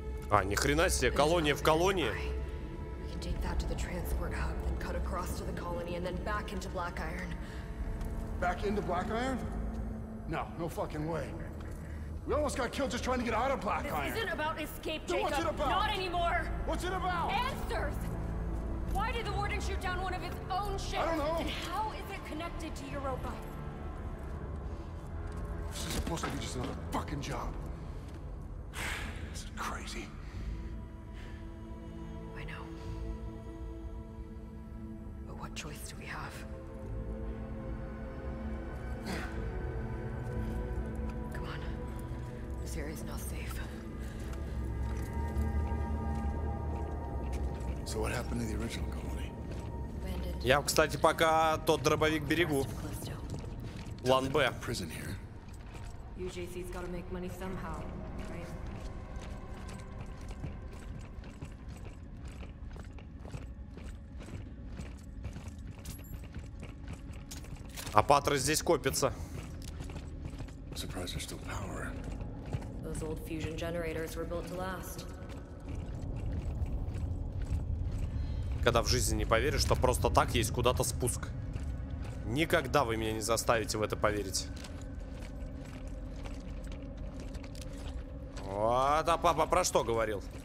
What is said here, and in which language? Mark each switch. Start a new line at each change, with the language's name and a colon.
Russian: А, ни хрена себе, колония в колонии.
English: We can take that to the transport hub, then cut across to the colony and then back into Black Iron. Back into Black Iron? No, no fucking way. We almost got killed just trying to get out of Black Iron. This isn't about escape, Jacob. So what's it about? Not anymore. What's it about? Answers! Why did the warden shoot down one of his own ships? I don't know. And how is it connected to Europa? This is supposed to be just another fucking job. Is it crazy? I know. But what choice do we have? Come on. This area is not safe. So what happened to the original colony? Abandoned.
Russian: Я, кстати, пока тот дробовик берегу. План Б.
English: UJC's gotta make money somehow, right?
Russian: А патры здесь копятся.
English: Surprise, there's still power. Those old fusion generators were built to last.
Russian: Когда в жизни не поверишь, что просто так есть куда-то спуск. Никогда вы меня не заставите в это поверить. Вот, а папа про что говорил?